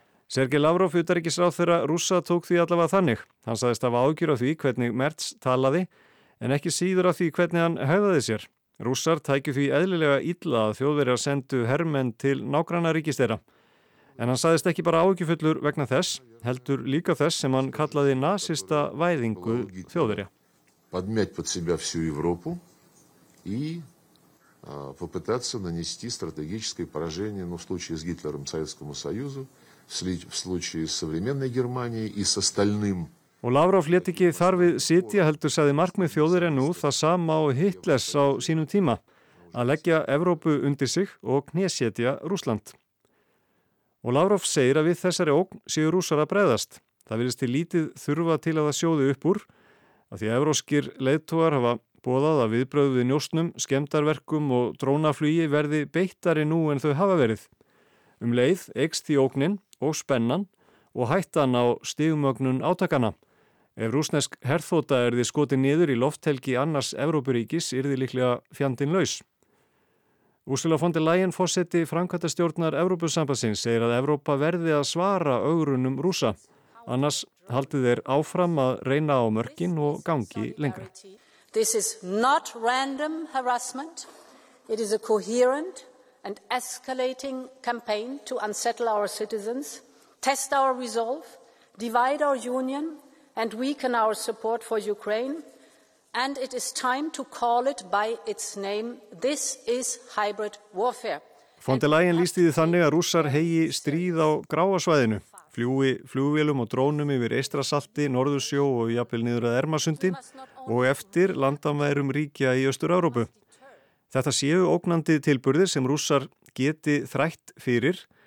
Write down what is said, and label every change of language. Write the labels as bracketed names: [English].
[Icelandic] Sergei Lavrov, utanríkisráðherra rússa, tók því allavega þannig. Hann sagðist hafa áhyggjur af því hvernig Merz talaði, en ekki síður af því hvernig hann hegðaði sér. Rússar tækju því eðlilega illa að þjóðverjar sendu hermenn til nágranna ríkis þeirra. En hann sagðist ekki bara áhyggjufullur vegna þess, heldur líka þess sem hann kallaði nasista væðingu þjóðverja. [Russian] Подмять под себя всю Европу и попытаться нанести стратегическое поражение, ну в случае с Гитлером Советскому Союзу, в случае с современной Германией и с остальным. [Icelandic] Og Lavrov lét ekki þar við sitja, heldur sagði markmið þjóðverja nú það sama og Hitlers á sínum tíma, að leggja Evrópu undir sig og knésetja Rússland. Og Lavrov segir að við þessari ógn séu rússar að breiðast. Það virðist til lítið þurfa til að það sjóði upp úr, af því að evróskir leiðtogar hafa boðað að viðbrögðu við njósnum, skemmdarverkum og drónaflugi verði beittari nú en þau hafa verið. Um leið eykst því ógnin og spennan og hættan á stigumögnun átakana. Ef rússnesk herþóta yrði skotið niður í lofthelgi annars Evrópuríkis yrði líklega fjandinn laus. Ursula von der Leyen, forseti framkvæmdastjórnar Evrópusambandsins, segir að Evrópa verði að svara ögrunum rússa. Annars haldið þeir áfram að reyna á mörkin og gangi lengra. [English] This is not random harassment. It is a coherent and escalating campaign to unsettle our citizens, test our resolve, divide our union and weaken our support for Ukraine. And it is time to call it by its name. This is hybrid warfare. [Icelandic] Von der Leyen lýsti því þannig að rússar heigi stríð á gráasvæðinu, fljúi flugvélum og drónum yfir Eystrasalti, Norðursjó og jafnvel niður að Ermasundi og eftir landamærum ríkja í Austur-Evrópu. Þetta séu ógnandi tilburðir sem rússar geti þrætt fyrir.